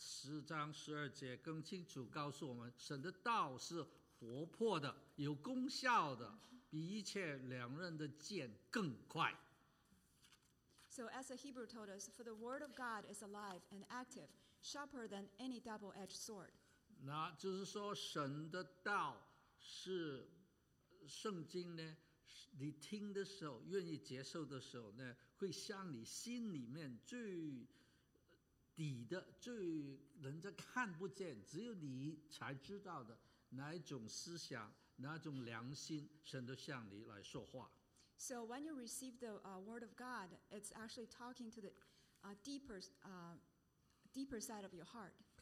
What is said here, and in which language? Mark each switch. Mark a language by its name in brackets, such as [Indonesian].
[Chinese] 那希伯来书10章12节更清楚告诉我们, 神的道是活泼的, 有功效的, 比一切两刃的剑更快。 [English] So as a Hebrew told us, for the word of God is alive and active, sharper than any double-edged sword. [Chinese] 那就是说神的道是圣经呢, 你听的时候, 愿意接受的时候呢, 会像你心里面最底的, 最人家看不见, 只有你才知道的, 哪一种思想, 哪种良心, 神都向你来说话。 [English] So when you receive the word of God, it's actually talking to the deeper side of your heart.